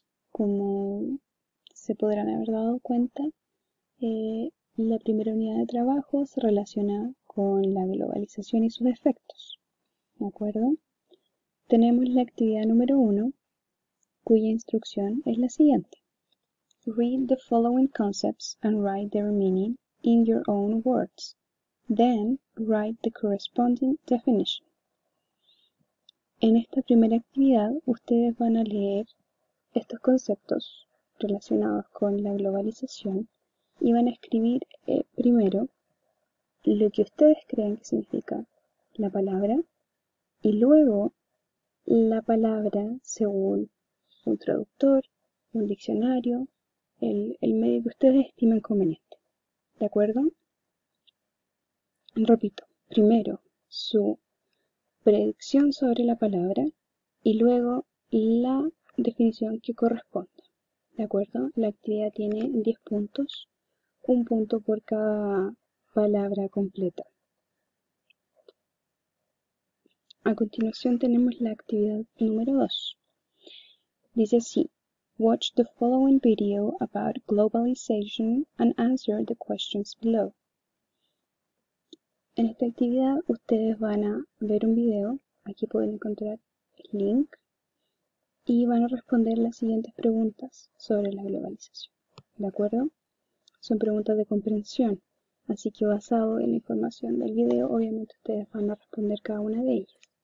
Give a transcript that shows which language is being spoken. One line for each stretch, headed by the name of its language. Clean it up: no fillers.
Spanish: Como se podrán haber dado cuenta, la primera unidad de trabajo se relaciona con la globalización y sus efectos. ¿De acuerdo? Tenemos la actividad número uno, cuya instrucción es la siguiente.
English: Read the following concepts and write their meaning in your own words. Then, write the corresponding definition.
Spanish: En esta primera actividad, ustedes van a leer estos conceptos relacionados con la globalización y van a escribir primero lo que ustedes creen que significa la palabra y luego la palabra según un traductor, un diccionario, el medio que ustedes estimen conveniente. ¿De acuerdo? Repito, primero su predicción sobre la palabra y luego la definición que corresponda. ¿De acuerdo? La actividad tiene 10 puntos, un punto por cada palabra completa. A continuación tenemos la actividad número 2. Dice así.
English: Watch the following video about globalization and answer the questions below.
Spanish: En esta actividad ustedes van a ver un video, aquí pueden encontrar el link, y van a responder las siguientes preguntas sobre la globalización. ¿De acuerdo? Son preguntas de comprensión, así que basado en la información del video, obviamente ustedes van a responder cada una de ellas.